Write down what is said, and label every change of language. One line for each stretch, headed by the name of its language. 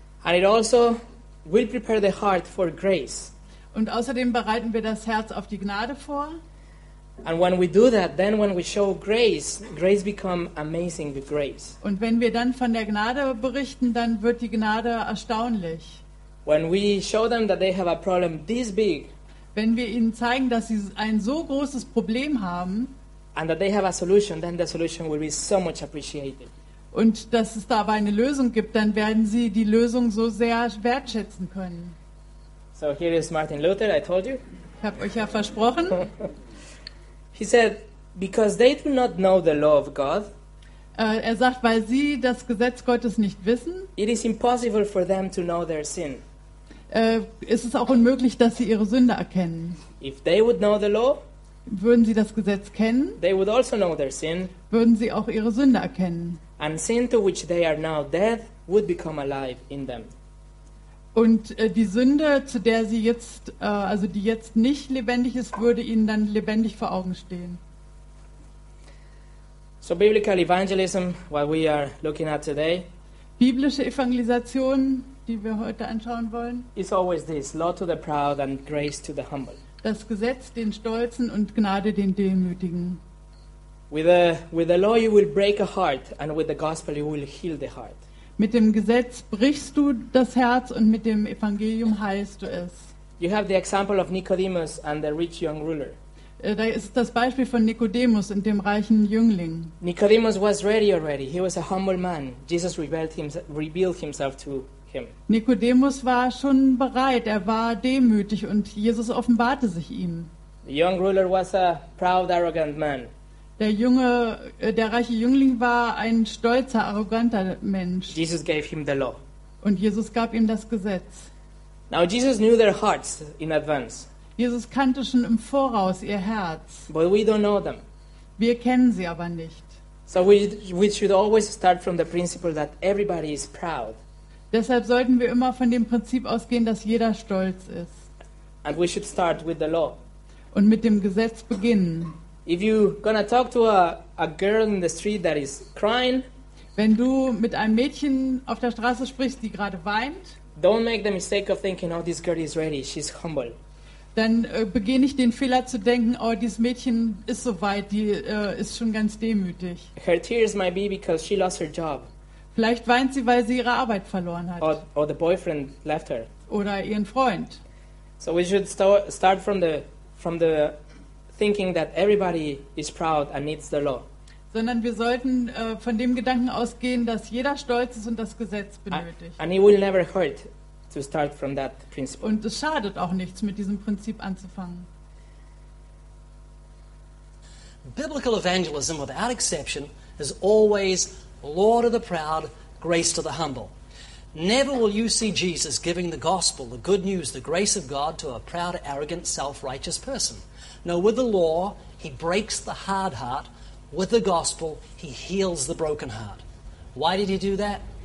English: And it also will prepare the heart for grace.
German: Und außerdem bereiten wir das Herz auf die Gnade vor.
English: And when we do that, then when we show grace, grace becomes amazing with grace.
German: Und wenn wir dann von der Gnade berichten, dann wird die Gnade erstaunlich.
English: When we show them that they have a problem this big,
German: wenn wir ihnen zeigen, dass sie ein so großes Problem haben,
English: and that they have a solution, then the solution will be so much appreciated.
German: Und dass es da aber eine Lösung gibt, dann werden sie die Lösung so sehr wertschätzen können.
English: So here is Martin Luther, I told you.
German: Ich habe euch ja versprochen.
English: He said, because they do not know the law of God.
German: Er sagt, weil sie das Gesetz Gottes nicht wissen.
English: It is impossible for them to know their sin.
German: Ist es auch unmöglich, dass sie ihre Sünde erkennen.
English: If they would know the law,
German: würden sie das Gesetz kennen,
English: they would also know their sin.
German: Würden sie auch ihre Sünde erkennen.
English: And sin to which they are now dead would become alive in them.
German: Und die Sünde, zu der sie jetzt, also die jetzt nicht lebendig ist, würde ihnen dann lebendig vor Augen stehen.
English: So biblical evangelism, what we are looking at today,
German: biblische Evangelisation, die wir heute anschauen wollen,
English: is always this, law to the proud and grace to the humble.
German: Das Gesetz den Stolzen und Gnade den Demütigen.
English: With the law you will break a heart, and with the gospel you will heal the heart.
German: Mit dem Gesetz brichst du das Herz und mit dem Evangelium heilst du es.
English: You have the example of Nicodemus and the rich young ruler.
German: Da ist das Beispiel von Nicodemus und dem reichen Jüngling.
English: Nicodemus was ready already. He was a humble man. Jesus revealed himself to him.
German: Nicodemus war schon bereit. Er war demütig und Jesus offenbarte sich ihm.
English: The young ruler was a proud, arrogant man.
German: Der reiche Jüngling war ein stolzer, arroganter Mensch.
English: Jesus gave him the law.
German: Und Jesus gab ihm das Gesetz.
English: Now Jesus knew their hearts in advance.
German: Jesus kannte schon im Voraus ihr Herz.
English: But we don't know them.
German: Wir kennen sie aber nicht.
English: So we should always start from the principle that everybody is proud.
German: Deshalb sollten wir immer von dem Prinzip ausgehen, dass jeder stolz ist.
English: And we should start with the law.
German: Und mit dem Gesetz beginnen.
English: If you're gonna talk to a girl in the street that is crying,
German: wenn du mit einem Mädchen auf der Straße sprichst, die gerade weint,
English: don't make the mistake of thinking, oh, this girl is ready, she's humble.
German: Dann begehe nicht den Fehler zu denken, oh, dieses Mädchen ist so weit, die ist schon ganz demütig.
English: Her tears might be because she lost her job.
German: Vielleicht weint sie, weil sie ihre Arbeit verloren hat.
English: Or the boyfriend left her.
German: Oder ihren Freund.
English: So we should start from the thinking that everybody is proud and needs the law.
German: Sondern wir sollten von dem Gedanken ausgehen, dass jeder stolz ist und das Gesetz benötigt.
English: And it will never hurt to start from that principle.
German: Und es schadet auch nichts, mit diesem Prinzip anzufangen.
English: Biblical evangelism, without exception, is always law to the proud, grace to the humble. Never will you see Jesus giving the gospel, the good news, the grace of God to a proud, arrogant, self-righteous person. No, with the law, he breaks the hard heart. With the gospel, he heals the broken heart. Why did he do that?